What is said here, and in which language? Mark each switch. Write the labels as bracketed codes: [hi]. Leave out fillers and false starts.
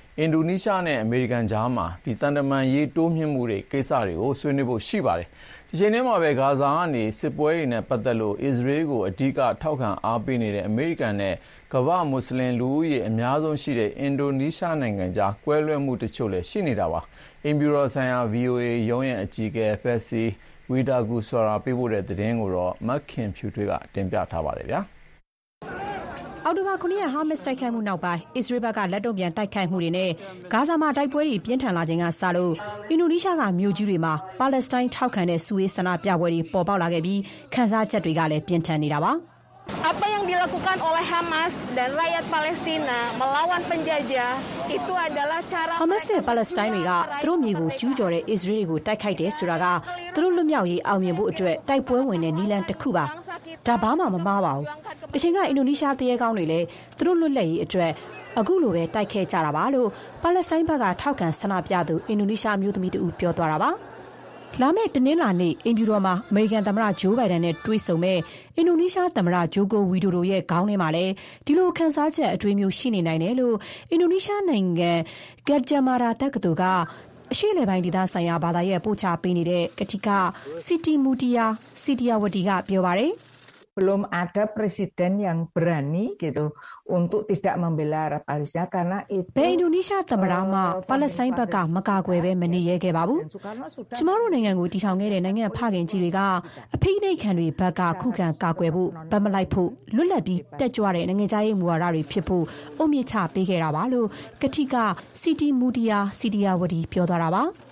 [my] Indonesia နဲ့ American ကြားမှာဒီတန်တမာရေးတိုးမြှင့်မှုတွေကိစ္စတွေကိုဆွေးနွေးဖို့ရှိပါတယ်ဒီချိန်ထဲမှာပဲဂါဇာကနေစစ်ပွဲတွေနဲ့ပတ်သက်လို့အစ္စရေးကိုအဓိကထောက်ခံအားပေးနေတဲ့အမေရိကန်နဲ့ကမ္ဘာမွတ်စလင်လူဦးရေအများဆုံးရှိတဲ့အင်ဒိုနီးရှားနိုင်ငံကြားကွဲလွဲမှုတချို့လည်းရှိနေတာပါ။အင်ဘူရိုဆန်ယာ VOA ရုံးရဲ့အကြီးအကဲဖက်စီဝီတာဂူဆွာရာပြောပြတဲ့သတင်းကိုတော့မက်ခင်ဖြူထွေးကတင်ပြထားပါတယ်ဗျာ။ အော်ဒီဘာခုနှစ်ဟာမစ်တိုက်ခိုက်မှုနောက်ပိုင်းအစ္စရေးဘက်ကလက်တော့ပြန်တိုက်ခိုက်မှုတွေနဲ့ဂါဇာမှာတိုက်ပွဲတွေပြင်းထန်လာခြင်းကစလို့အင်ဒိုနီးရှားကမြို့ကြီးတွေမှာပါလက်စတိုင်းထောက်ခံတဲ့စူရေးဆန္ဒပြပွဲတွေပေါ်ပေါက်လာခဲ့ပြီးခန်းစားချက်တွေကလည်းပြင်းထန်နေတာပါ [id] Apa yang dilakukan oleh Hamas dan rakyat Palestina melawan penjajah itu adalah cara [my] Hamas နဲ့ Palestine တွေကသူတို့မျိုးကိုကျူးကျော်တဲ့ Israel ကိုတိုက်ခိုက်တယ်ဆိုတာကသူတို့လူမျိုးရေးအောင်မြင်ဖို့အတွက်တိုက်ပွဲဝင်တဲ့နည်းလမ်းတစ်ခုပါဒါဘာမှမမှားပါဘူးတချင်က Indonesia တရဲကောင်းတွေလည်းသူတို့လွတ်လပ်ရေးအတွက်အခုလိုပဲတိုက်ခဲ့ကြတာပါလို့ Palestine ဘက်ကထောက်ခံဆန္ဒပြသူ Indonesia မျိုးသမီးတူပြောသွားတာပါ လာမယ့်တနင်္လာနေ့အင်ဂျူရောမှာအမေရိကန်သမ္မတဂျိုးဘိုင်ဒန်နဲ့တွေ့ဆုံမဲ့အင်ဒိုနီးရှားသမ္မတဂျိုကိုဝီဒိုဒိုရဲ့ခေါင်းထဲမှာလည်းဒီလိုခန်းစားချက်အတွေ့အမျိုးရှိနေနိုင်တယ်လို့အင်ဒိုနီးရှားနိုင်ငံကတ်ဂျမာရာတက္ကသိုလ်ကအရှိလေပိုင်းဒေသဆိုင်ရာဘာသာရေးပို့ချပေးနေတဲ့ကတိကစီတီမူတီယာစီတီယာဝတီကပြောပါတယ် [id] Belum ada presiden yang berani gitu untuk tidak membela Arab Palestina karena itu [my] Indonesia tamara ma Palestine ဘက်ကမကာကွယ်ပဲမနေရခဲ့ပါဘူးကျမတို့နိုင်ငံကိုတီထောင်ခဲ့တဲ့နိုင်ငံဖခင်ကြီးတွေကအဖိနှိတ်ခံတွေဘက်ကခုခံကာကွယ်ဖို့ဗမလိုက်ဖို့လွတ်လပ်ပြီးတက်ကြွတဲ့နိုင်ငံသားရေးမူဝါဒတွေဖြစ်ဖို့အုံမြင့်ချပေးခဲ့တာပါလို့ကတိကစီတီမူဒီယာစီတီယာဝတီပြောသွားတာပါ